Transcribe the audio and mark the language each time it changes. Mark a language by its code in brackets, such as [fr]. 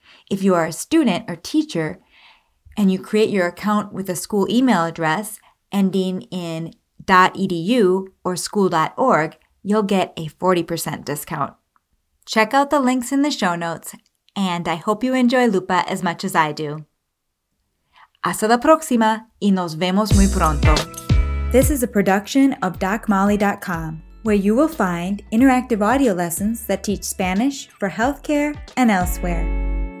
[en] If you are a student or teacher and you create your account with a school email address ending in .edu or school.org, you'll get a 40% discount. Check out the links in the show notes, and I hope you enjoy Lupa as much as I do. [es] Hasta la próxima y nos vemos muy pronto. [en] This is a production of DocMolly.com, where you will find interactive audio lessons that teach Spanish for healthcare and elsewhere.